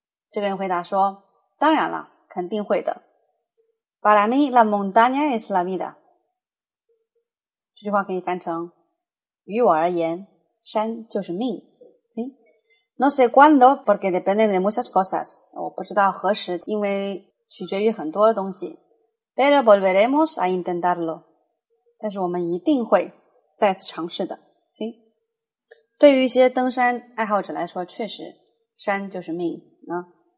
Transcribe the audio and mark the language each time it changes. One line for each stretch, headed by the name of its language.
Chinese: 这个人回答说当然了，肯定会的。
Spanish: Para mí, la montaña es la vida.
Chinese: 这句话可以翻成于我而言，山就是命。
Spanish: No sé cuándo, porque depende de muchas cosas.
Chinese: 我不知道何时，因为取决于很多东西。
Spanish: Pero volveremos a intentarlo.
Chinese: 但是我们一定会再次尝试的。
Spanish: ¿Sí?
Chinese: 对于一些登山爱好者来说，确实山就是命啊。